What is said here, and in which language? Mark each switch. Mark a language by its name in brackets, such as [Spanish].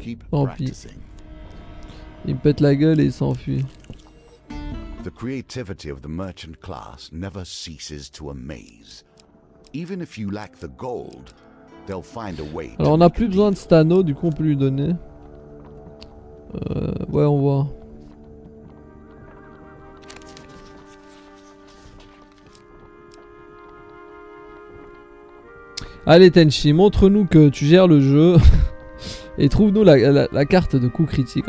[French] Tant pis. Il me pète la gueule et il s'enfuit. [English] The creativity of the merchant class never ceases to amaze. Even if you lack the gold, they'll find a way. [French] Alors on a plus besoin de cet anneau, du coup on peut lui donner. Ouais, on voit. Allez Tenchi, montre-nous que tu gères le jeu et trouve-nous la carte de coup critique.